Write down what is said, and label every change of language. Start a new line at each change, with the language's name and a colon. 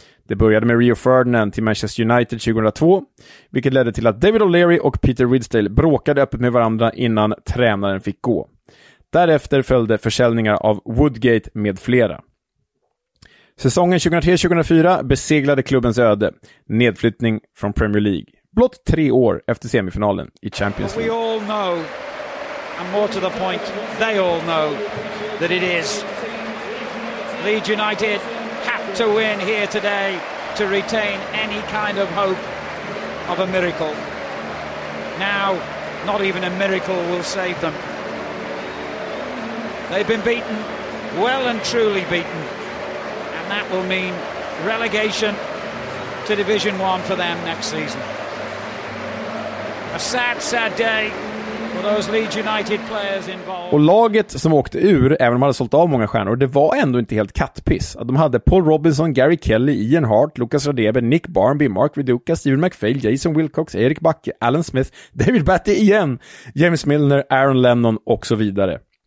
Swedish: Det började med Rio Ferdinand till Manchester United 2002, vilket ledde till att David O'Leary och Peter Ridsdale bråkade öppet med varandra innan tränaren fick gå. Därefter följde försäljningar av Woodgate med flera. Säsongen 2003-2004 beseglade klubbens öde, nedflyttning från Premier League. Blott 3 år efter semifinalen i Champions League.
English: We all know, and more to the point, they all know that it is. Leeds United have to win here today to retain any kind of hope of a miracle. Now, not even a miracle will save them. They've been beaten, well and truly beaten, and that will mean relegation to Division 1 for them next season. A sad, sad day for those Leeds United players involved.
Swedish: Och laget som åkte ur, även om de hade sålt av många stjärnor, det var ändå inte helt kattpiss. De hade Paul Robinson, Gary Kelly, Ian Hart, Lucas Radebe, Nick Barnby, Mark Viduka, Steven McPhail, Jason Wilcox, Erik Backe, Alan Smith, David Batty igen, James Milner, Aaron Lennon och så vidare.